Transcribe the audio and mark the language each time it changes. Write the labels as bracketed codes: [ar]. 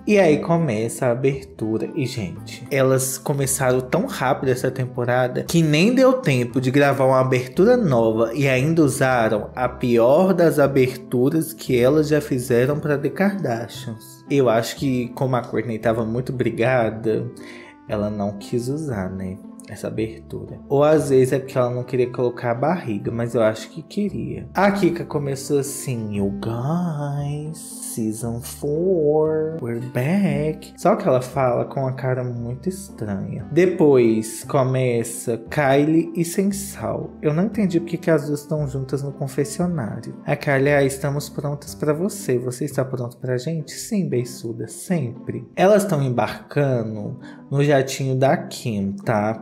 [pt] E aí começa a abertura. E gente, elas começaram tão rápido essa temporada que nem deu tempo de gravar uma abertura nova e ainda usaram a pior das aberturas que elas já fizeram pra The Kardashians. Eu acho que como a Courtney tava muito brigada, ela não quis usar, né? Essa abertura. Ou às vezes é porque ela não queria colocar a barriga, mas eu acho que queria. A Kika começou assim, [en] you guys, season 4, we're back. [pt] Só que ela fala com uma cara muito estranha. Depois começa Kylie e Sensal. Eu não entendi porque que as duas estão juntas no confessionário. A Kylie, ah, estamos prontas pra você. Você está pronto pra gente? Sim, beiçuda, sempre. Elas estão embarcando no jatinho da Kim, tá?